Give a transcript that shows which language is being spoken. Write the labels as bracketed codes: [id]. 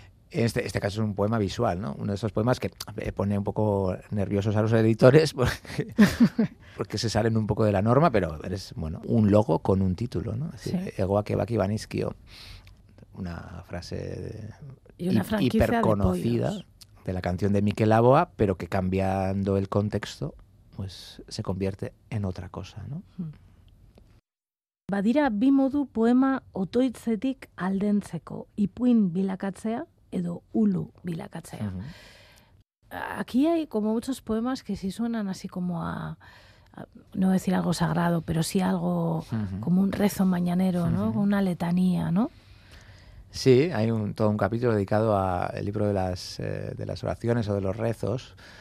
[es] Este caso es un poema visual, ¿no? Uno de esos poemas que pone un poco nerviosos a los editores porque se salen un poco de la norma, pero es, bueno, un logo con un título, ¿no? Sí. [eu] Egoa kebaki banizkio. [es] una frase y una franquicia hiperconocida de la canción de Mikel Laboa, pero que cambiando el contexto pues se convierte en otra cosa, ¿no? [eu] Badira bi modu poema otoitzetik aldentzeko, ipuin bilakatzea edo ulu bilakatzea. Uh-huh. [es] Aquí hay como muchos poemas que sí suenan así como a no decir algo sagrado, pero sí algo como un rezo mañanero, ¿no? Uh-huh. Una letanía, ¿no? Sí, hay todo un capítulo dedicado al libro de las oraciones o de los rezos.